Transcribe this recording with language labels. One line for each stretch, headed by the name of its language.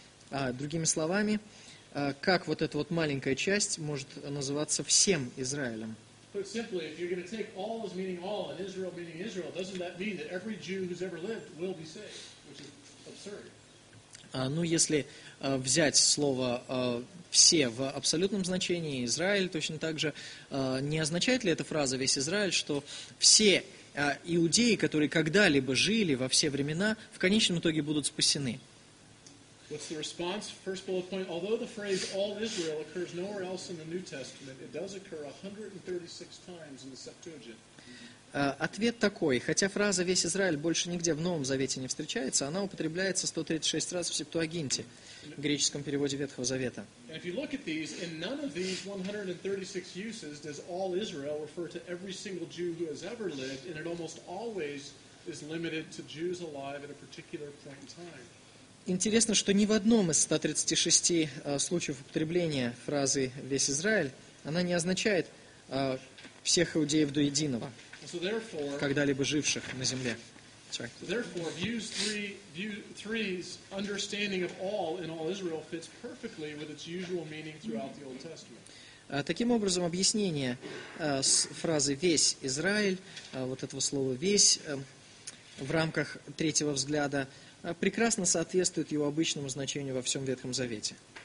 Russian: Другими словами, как вот эта вот маленькая часть может называться всем Израилем?
English: Put simply, if you're going to take all as meaning all and Israel meaning Israel, doesn't that mean that every Jew who's ever lived will be saved? Which is absurd.
Russian: Ну, если взять слово «все» в абсолютном значении, «Израиль» точно так же, не означает ли эта фраза «весь Израиль», что все иудеи, которые когда-либо жили во все времена, в конечном итоге будут спасены?
English: What's the response? First bullet point. Although the phrase
Russian: «all Israel»
English: occurs nowhere else in the New Testament, it does occur 136 times in the Septuagint.
Russian: Ответ такой. Хотя фраза «весь Израиль» больше нигде в Новом Завете не встречается, она употребляется 136 раз в Септуагинте, в греческом переводе Ветхого Завета.
English: And if you look at these, in none of these 136 uses does all Israel refer to every single Jew who has ever lived, and it almost always is limited to Jews alive at a particular point in time.
Russian: Интересно, что ни в одном из 136 случаев употребления фразы «весь Израиль» она не означает всех иудеев до единого, когда-либо живших на земле. Таким образом, объяснение с фразы «весь Израиль», вот этого слова «весь» в рамках третьего взгляда, прекрасно соответствует его обычному значению во всем Ветхом Завете.